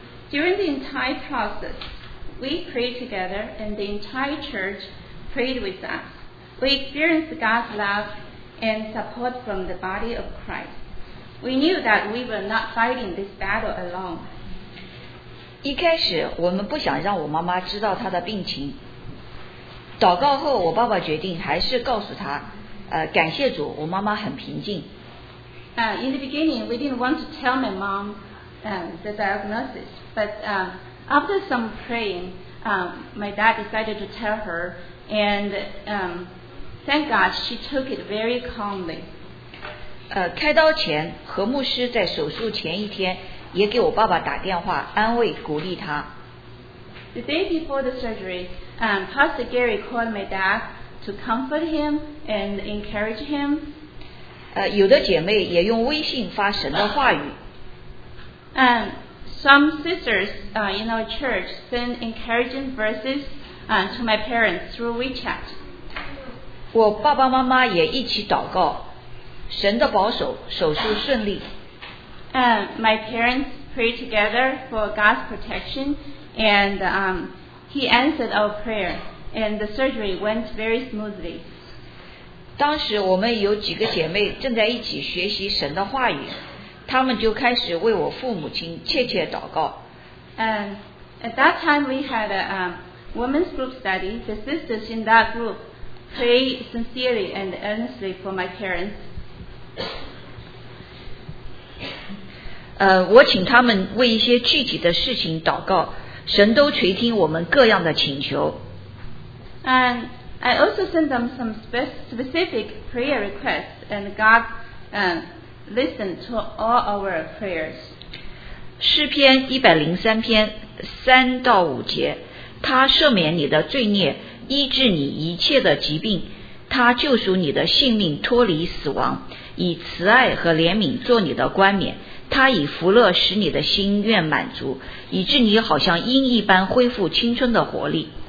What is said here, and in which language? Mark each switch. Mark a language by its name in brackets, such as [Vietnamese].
[English] During the entire process, we prayed together, and the entire church prayed with us. We experienced God's love. And support from the body of Christ. We knew that we were not fighting this battle alone. [Chinese] 一开始我们不想让我妈妈知道她的病情。祷告后，我爸爸决定还是告诉她。感谢主，我妈妈很平静。 [English] In the beginning, we didn't want to tell my mom the diagnosis. But after some praying, my dad decided to tell her and. Thank God, she took it very calmly. [Chinese] 开刀前，何牧师在手术前一天也给我爸爸打电话，安慰鼓励他。 [English] The day before the surgery, Pastor Gary called my dad to comfort him and encourage him. [Chinese] 有的姐妹也用微信发神的话语。 [English] Some sisters in our church send encouraging verses to my parents through WeChat. [Chinese] 我爸爸妈妈也一起祷告，神的保守，手术顺利。 [English] My parents prayed together for God's protection, and He answered our prayer, and the surgery went very smoothly. [Chinese] 当时我们有几个姐妹正在一起学习神的话语，她们就开始为我父母亲切切祷告。 [English] At that time, we had a women's group study. The sisters in that group. Pray sincerely and earnestly for my parents. [Chinese] 我请他们为一些具体的事情祷告，神都垂听我们各样的请求。 [English] And I also sent them some specific prayer requests, and God listened to all our prayers. [Chinese] 诗篇一百零三篇三到五节，他赦免你的罪孽。医治你一切的疾病，他救赎你的性命，脱离死亡，以慈爱和怜悯做你的冠冕，他以福乐使你的心愿满足，以致你好像鹰一般恢复青春的活力。